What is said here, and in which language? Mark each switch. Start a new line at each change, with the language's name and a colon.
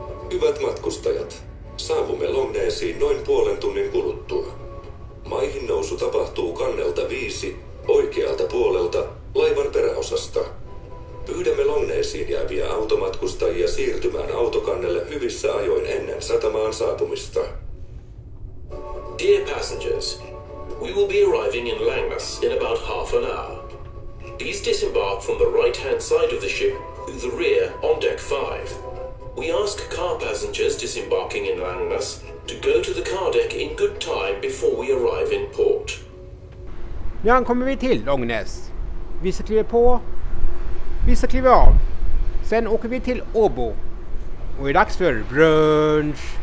Finnish: Hyvät matkustajat, saavumme Långnäsiin noin puolen tunnin kuluttua. Maihin nousu tapahtuu kannelta 5 oikealta puolelta laivan peräosasta. Pyydämme Långnäsiin jääviä automatkustajia siirtymään autokannelle hyvissä ajoin ennen satamaan saapumista.
English: Dear passengers, we will be arriving in Långnäs in about half an hour. Please disembark from the right-hand side of the ship through the rear on deck 5. We ask car passengers disembarking in Långnäs to go to the car deck in good time before we arrive in port.
Swedish: Nu ankommer vi till Långnäs. Vissa kliver på, vissa kliver av. Sen åker vi till Åbo. Och det är dags för brunch.